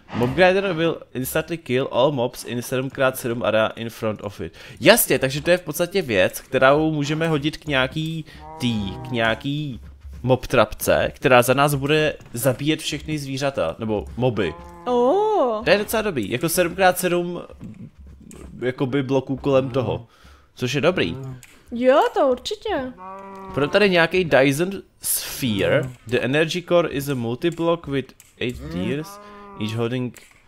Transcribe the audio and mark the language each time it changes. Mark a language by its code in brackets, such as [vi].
[en] Mob grinder will instantly kill all mobs in 7x7 area in front of it. [cs] Jasně, takže to je v podstatě věc, kterou můžeme hodit k nějaký tý, k nějaký mob trapce, která za nás bude zabíjet všechny zvířata, nebo moby. To je docela dobrý, jako 7x7 jakoby bloků kolem toho. Což je dobrý. Jo, to určitě. Pro tady nějaký Dyson Sphere. [en] The energy core is a multi-block with 8 tiers, each holding...